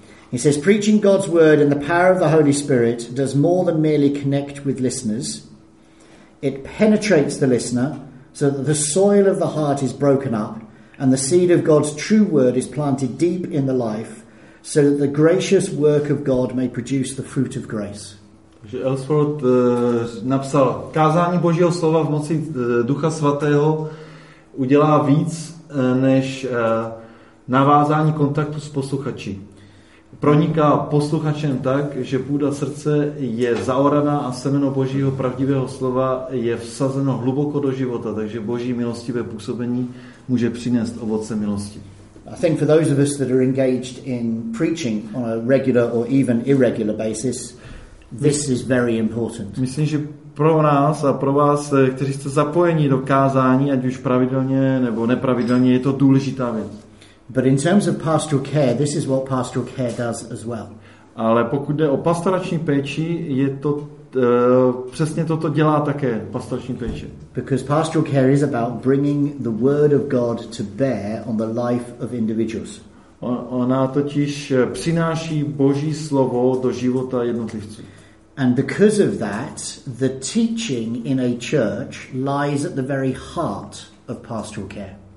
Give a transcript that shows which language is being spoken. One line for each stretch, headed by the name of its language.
English: He says, preaching God's word and the power of the Holy Spirit does more than merely connect with listeners. It penetrates the listener so that the soil of the heart is broken up and the seed of God's true word is planted deep in the life so that the gracious work of God may produce the fruit of grace.
Czech: Takže Ellsworth napsal, kázání Božího slova v moci Ducha Svatého udělá víc než navázání kontaktu s posluchači. Proniká posluchačem tak, že půda srdce je zaoraná a semeno Božího pravdivého slova je vsazeno hluboko do života, takže Boží milostivé působení může přinést ovoce milosti.
English: I think for those of us that are engaged in preaching on a regular or even irregular basis, this is very important.
Czech: Myslím, že pro nás a pro vás, kteří jste zapojeni do kázání, ať už pravidelně nebo nepravidelně, je to důležitá věc.
English: But in terms of pastoral care, this is what pastoral care does as well.
Czech: Ale pokud jde o pastorační péči, je to přesně toto dělá také pastorační péče.
English: Because pastoral care is about bringing the word of God to bear on the life of individuals.
Czech: Ona totiž přináší Boží slovo do života jednotlivců.
English: And because of that, the teaching in a church lies at the very heart of pastoral care.